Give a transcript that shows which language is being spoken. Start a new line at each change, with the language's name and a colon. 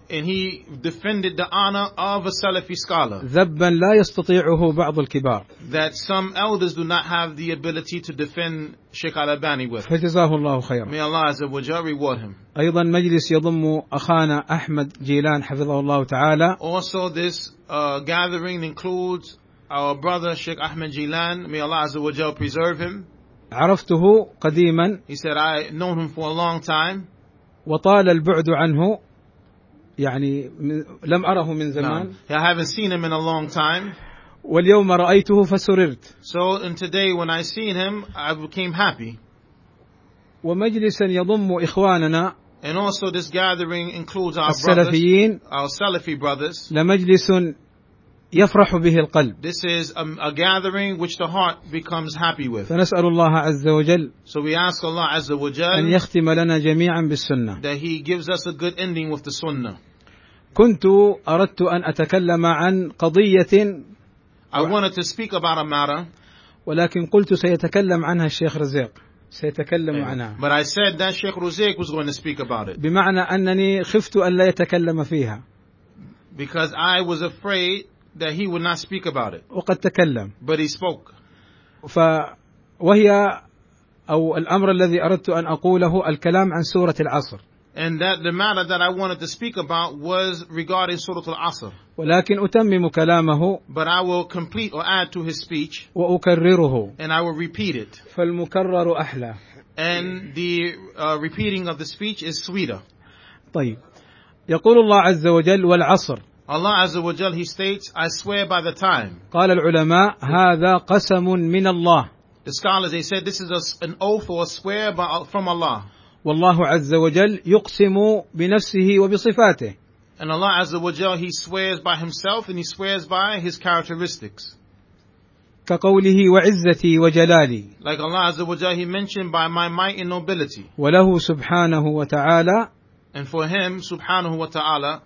English: And he defended the honor of a Salafi scholar.
Arabic: ذبا لا يستطيعه بعض الكبار.
English: That some elders do not have the ability to defend Sheikh al-Albani with.
Arabic: فجزاه الله خيرا.
English: May Allah Azza wa Jalla reward him.
Arabic: أيضا مجلس يضم أخانا أحمد جيلان حفظه الله تعالى.
English: Also this gathering includes our brother Sheikh Ahmed Jilan. May Allah Azza wa Jalla preserve him.
Arabic: عرفته قديما.
English: He said, I known him for a long time.
Arabic: وطال البعد عنه يعني لم أره من زمان.
English: No. I haven't seen him in a long time.
Arabic: واليوم رأيته فسررت.
English: So in today when I seen him, I became happy.
Arabic: ومجلسا يضم إخواننا.
English: And also this gathering includes our السلفيين. Brothers, our Salafi brothers.
Arabic: لمجلس يفرح به القلب.
English: This is a gathering which the heart becomes happy with.
Arabic: فنسأل الله عز وجل.
English: So we ask Allah
Arabic: عز وجل. أن يختم لنا جميعا بالسنة.
English: That he gives us a good ending with the sunnah.
Arabic: كنت أردت أن أتكلم عن قضية.
English: I wanted to speak about a matter.
Arabic: ولكن قلت سيتكلم عنها الشيخ رزيق. سيتكلم عنها.
English: But I said that Sheikh Ruzaik was going to speak about it.
Arabic: بمعنى أنني خفت أن لا يتكلم فيها.
English: Because I was afraid that he would not speak about it.
Arabic: وقد تكلم.
English: But he spoke.
Arabic: فوهي أو الأمر الذي أردت أن أقوله الكلام عن سورة العصر.
English: And that the matter that I wanted to speak about was regarding Surah Al-Asr.
Arabic: ولكن أتمم كلامه.
English: But I will complete or add to his speech.
Arabic: وأكرره.
English: And I will repeat it.
Arabic: فالمكرر أحلى.
English: And the repeating of the speech is sweeter.
Arabic: طيب. يقول الله عز وجل والعصر.
English: Allah Azza wa Jalla, he states, I swear by the time.
Arabic: قال العلماء هذا قسم من الله.
English: The scholars, they said, this is an oath or a swear from Allah.
Arabic: والله عز وجل يقسم بنفسه وبصفاته.
English: And Allah Azza wa Jalla, he swears by himself and he swears by his characteristics.
Arabic: كقوله وعزتي وجلالي.
English: Like Allah Azza wa Jalla, he mentioned by my might and nobility.
Arabic: وله سبحانه وتعالى.
English: And for him,
Arabic: سبحانه وتعالى.